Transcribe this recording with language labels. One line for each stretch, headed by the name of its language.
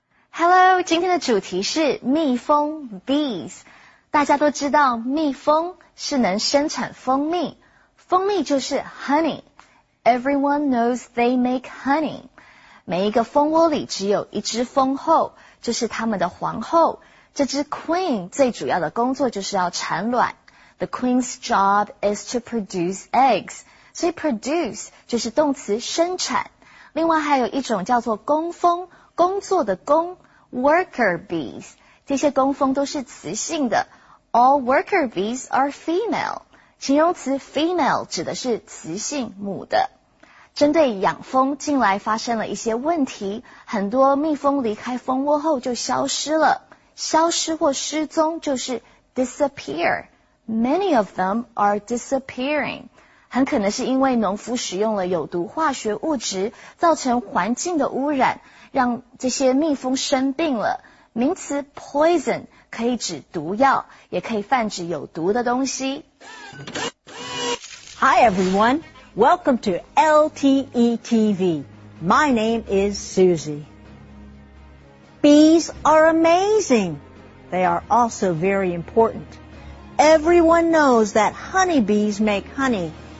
Chinese: Hello, 今天的主题是蜜蜂 bees. 大家都知道蜜蜂是能生产蜂蜜。蜂蜜就是 honey.
English: Everyone knows they make honey.
Chinese: 每一个蜂窝里只有一只蜂后，这是他们的皇后。这只 queen 最主要的工作就是要产卵。
English: The queen's job is to produce eggs.
Chinese: 所以 produce 就是动词生产。另外还有一种叫做工蜂，工作的工 ,
English: worker bees.
Chinese: 这些工蜂都是雌性的。
English: All worker bees are female.
Chinese: 形容词 female 指的是雌性母的。针对养蜂近来发生了一些问题，很多蜜蜂离开蜂窝后就消失了。消失或失踪就是 disappear.
English: Many of them are disappearing.
Chinese: 很可能是因为农夫使用了有毒化学物质造成环境的污染，让这些蜜蜂生病了。名词 poison 可以指毒药，也可以泛指有毒的东西。
English: Hi everyone, welcome to LTE TV. My name is Susie. Bees are amazing. They are also very important. Everyone knows that honeybees make honey.